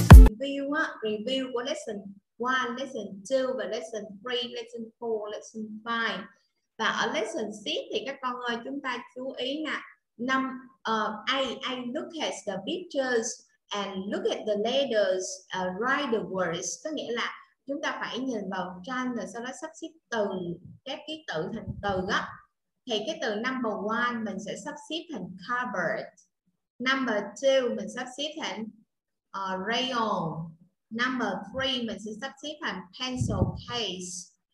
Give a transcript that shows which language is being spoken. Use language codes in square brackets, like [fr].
[vi] Review á, review của lesson 1, lesson 2 và lesson 3, lesson 4, lesson 5. Và ở lesson sheet thì các con ơi chúng ta chú ý nè. [en] Năm I look at the pictures and look at the letters, write the words. [vi] Có nghĩa là chúng ta phải nhìn vào tranh rồi sau đó sắp xếp từ, các ký tự thành từ đó. Thì cái từ number one mình sẽ sắp xếp thành cupboard. Number two mình sắp xếp thành rayon. Number three mình sẽ sắp xếp thành pencil case.